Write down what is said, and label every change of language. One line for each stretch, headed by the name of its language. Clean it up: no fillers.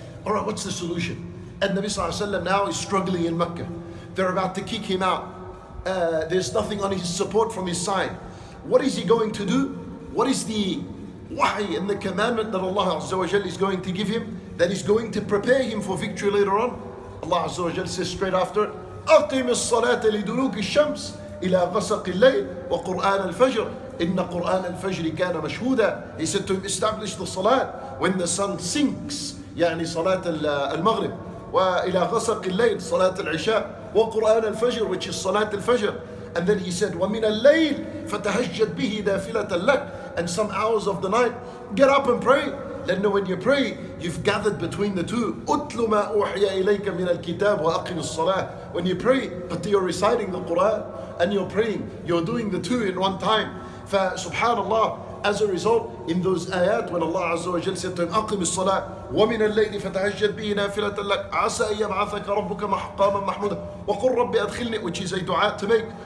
English: Alright, what's the solution? And Nabi sallallahu alayhi wa sallam now is struggling in Mecca. They're about to kick him out. There's nothing on his support from his side. What is he going to do? What is the wahi and the commandment that Allah Azza wa Jal is going to give him that is going to prepare him for victory later on? Allah Azza wa Jal says straight after,
Arabic: أقيم الصلاة لدلوك الشمس إلى غسق الليل وقرآن الفجر إن قرآن الفجر كان مشهودا.
English: He said to him, establish the salat when the sun sinks,
Arabic: يعني صلاة المغرب, وإلى غسق الليل, صلاة العشاء, وقرآن الفجر,
English: which is
Arabic: صلاة الفجر.
English: And then he said,
Arabic: ومن الليل فتهجد به نافلة لك.
English: And some hours of the night, get up and pray. Then when you pray, you've gathered between the two.
Arabic: أُتْلُ مَا أُوحْيَ إِلَيْكَ مِنَ الْكِتَابِ وَأَقِمِ الصَّلَاةِ.
English: When you pray, but you're reciting the Qur'an and you're praying, you're doing the two in one time.
Arabic: فَسُبْحَانَ
English: as a result, in those ayat, when Allah Azza wa Jalla said to him,
Arabic: أَقِمِ الصَّلَاةِ وَمِنَ اللَّيْلِ فَتَهَجَّدْ بِهِ نَافِلَةً لَكَ عَسَىٰ أَن يَبْعَثَكَ رَبُّكَ مَحْقَامًا مَحْمُودًا وَقُلْ رَبِّ أَدْخِلْنِي,
English: which is a dua to make.